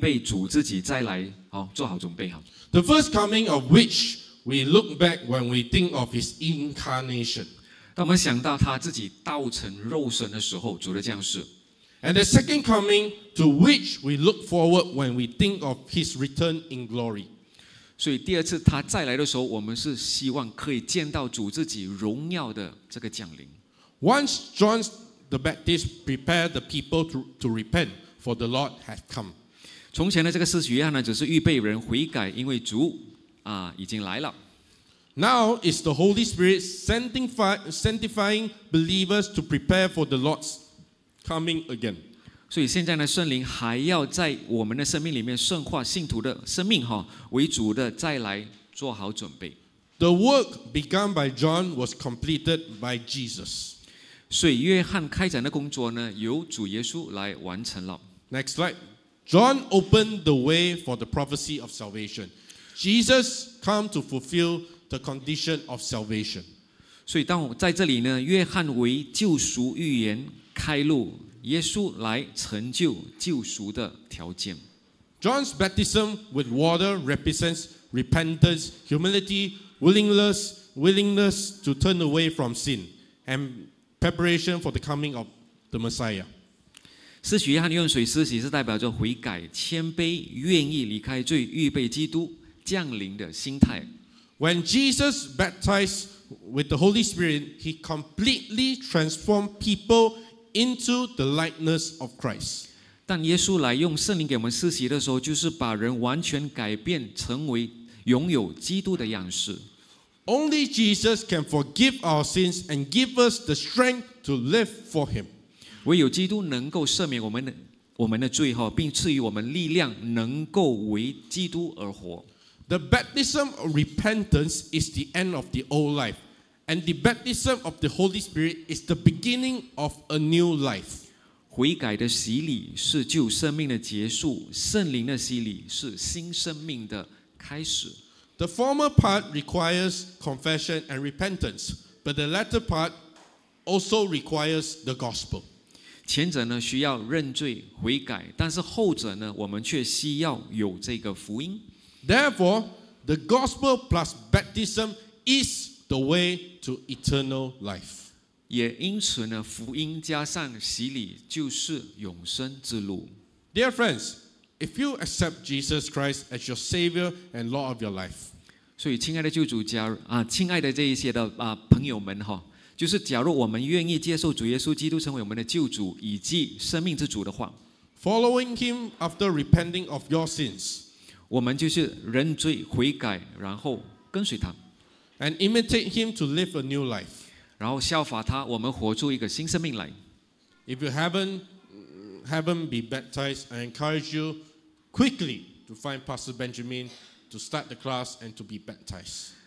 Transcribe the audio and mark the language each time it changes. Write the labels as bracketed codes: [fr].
[zh] 我们知道降临节呢，是让我们预备主自己再来，好，做好准备好。The [en] first coming of which we look back when we think of His incarnation. [zh] 当我们想到他自己道成肉身的时候，主的降世。And [en] the second coming to which we look forward when we think of His return in glory. [zh] 所以第二次他再来的时候，我们是希望可以见到主自己荣耀的这个降临。 [en] Once John the Baptist prepared the people to repent, for the Lord had come. [zh] 从前的这个施洗约翰呢，只是预备人悔改，因为主啊已经来了。 [en] Now is the Holy Spirit sanctifying believers to prepare for the Lord's coming again. [zh] 所以现在呢，圣灵还要在我们的生命里面圣化信徒的生命，哈，为主的再来做好准备。 [en] The work begun by John was completed by Jesus. [zh] 所以约翰开展的工作呢，由主耶稣来完成了。 [en] Next slide. John opened the way for the prophecy of salvation. Jesus came to fulfill the condition of salvation. [zh] 所以当在这里呢，约翰为救赎预言开路，耶稣来成就救赎的条件。 [en] John's baptism with water represents repentance, humility, willingness to turn away from sin, and preparation for the coming of the Messiah. [zh] 施洗约翰用水施洗是代表着悔改、谦卑、愿意离开罪、预备基督降临的心态。 [en] When Jesus baptized with the Holy Spirit, he completely transformed people into the likeness of Christ. [zh] 当耶稣来用圣灵给我们施洗的时候，就是把人完全改变成为拥有基督的样式。 [en] Only Jesus can forgive our sins and give us the strength to live for him. [zh] 唯有基督能够赦免我们的罪，并赐予我们力量，能够为基督而活。 [en] The baptism of repentance is the end of the old life, and the baptism of the Holy Spirit is the beginning of a new life. [zh] 悔改的洗礼是旧生命的结束，圣灵的洗礼是新生命的开始。 [en] The former part requires confession and repentance, but the latter part also requires the gospel. [zh] 前者呢需要认罪悔改，但是后者呢，我们却需要有这个福音。 [en] Therefore, the gospel plus baptism is the way to eternal life. [zh] 也因此呢，福音加上洗礼就是永生之路。 [en] Dear friends, if you accept Jesus Christ as your Savior and Lord of your life, [zh] 所以亲爱的救主家啊，亲爱的这一些的啊朋友们哈，就是假如我们愿意接受主耶稣基督成为我们的救主以及生命之主的话 [en] ，following Him after repenting of your sins. [zh] 我们就是认罪悔改，然后跟随他 [en] ，and imitate him to live a new life， [zh] 然后效法他，我们活出一个新生命来。 [en] If you haven't been baptized, I encourage you quickly to find Pastor Benjamin to start the class and to be baptized.